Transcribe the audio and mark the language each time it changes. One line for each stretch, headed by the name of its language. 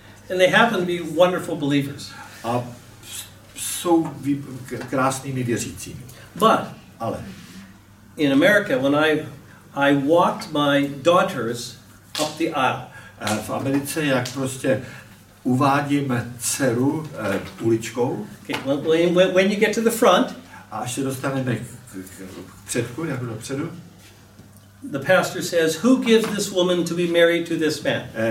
English: And they happen to be wonderful believers.
Czech: A jsou krásnými věřícími.
English: But,
Czech: ale
English: in America, when I walked my daughters up the aisle.
Czech: V Americe, jak prostě uvádím dceru uličkou.
English: Okay, when you get to the front,
Czech: a až se dostaneme k předku, jako dopředu,
English: the pastor says, who gives this woman to be married to this man?